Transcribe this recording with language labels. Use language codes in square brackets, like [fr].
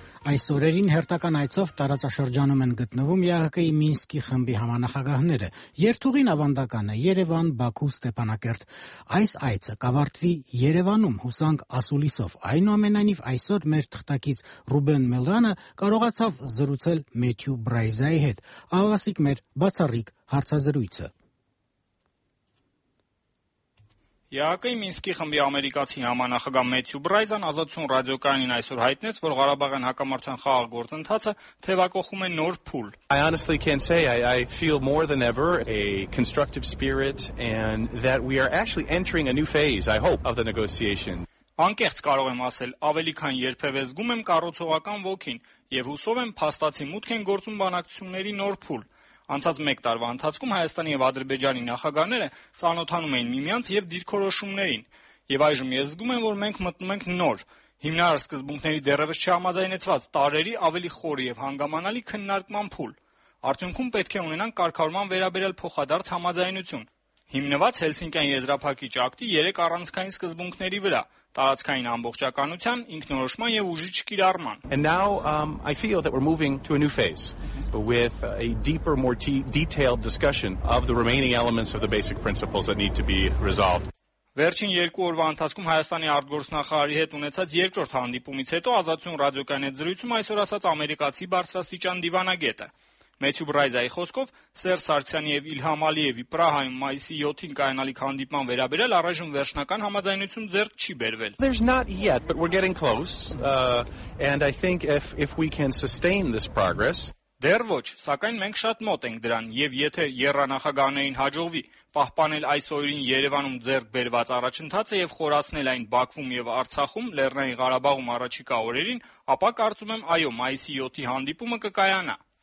[hy] Այս օրերին հերթական այցով տարածաշրջանում են գտնվում ԵԱՀԿ-ի Մինսկի խմբի համանախագահները։ Երթուղին ավանդական է Երևան, Բաքու, Ստեփանակերտ։ Այս այցը կավարտվի Երևանում հուսանք ասուլիսով։ Այնուամենայնիվ այսօր մեր թղթակից Ռուբեն Մելյանը կարողացավ զրուցել Մեթյու Բրայզայի հետ։ Ավասիկ մեր բացառիկ հարցազրույցը։ ԵԱՀԿ-ի Մինսկի խմբի ամերիկացի համանախագահ Մեթյու Բրայզան ազատություն ռադիոկայանին այսօր հայտնեց, որ Ղարաբաղյան հակամարտության խաղաղ գործընթացը թևակոխում է նոր փուլ։ [en] I honestly can say I feel more than ever a constructive spirit and that we are actually entering a new phase, I hope, of the negotiation. [hy] Անկեղծ կարող եմ ասել, ավելի քան երբևէ զգում եմ կառուցողական ոգին եւ հուսով եմ փաստացի մուտք են գործում բանակցությունների նոր փուլ։ Անցած 1 տարվա ընթացքում Հայաստանի եւ Ադրբեջանի նախագահները ծանոթանում էին միմյանց եւ դիրքորոշումներին եւ այժմ ես զգում եմ, որ մենք մտնում ենք նոր հիմնարար սկզբունքների դեռևս չհամաձայնեցված տարերի ավելի խորը եւ հանգամանալի քննարկման փուլ։ Արդյունքում պետք է ունենանք կարգավորման վերաբերյալ փոխադարձ համաձայնություն, հիմնված Հելսինկիան եզրափակիչ ակտի 3 առանցքային սկզբունքների վրա՝ տարածքային ամբողջականության, ինքնորոշման եւ ուժի չկիրառման։ [en] And now I feel that we're moving to a new phase with a deeper, more detailed discussion of the remaining elements of the basic principles that need to be resolved. [hy] Վերջին 2 օրվա ընթացքում Հայաստանի արտգործնախարարի հետ ունեցած երկրորդ հանդիպումից հետո ազատություն ռադիոկայանի զրույցում այսօր ասաց ամերիկացի բարձրաստիճան դիվանագետը։ Մեթյու Բրայզայի խոսքով Սերժ Սարգսյանի եւ Իլհամ Ալիևի Պրահայում մայիսի 7-ին կայանալիք հանդիպման վերաբերյալ առայժմ վերջնական համաձայնություն ձեռք չի բերվել։ [en] There's not yet, but we're getting close. And I think if we can sustain this progress. [hy] Դեռ ոչ, սակայն մենք շատ մոտ ենք դրան, եւ եթե երրանախագահներին հաջողվի պահպանել այս օրերին Երևանում ձեռք բերված առաջընթացը եւ խորացնել այն Բաքվում եւ Արցախում Լեռնային Ղարաբաղում առաջիկա օրերին, ապա կարծում եմ, այո, մայիսի 7-ի հանդիպումը կկայանա։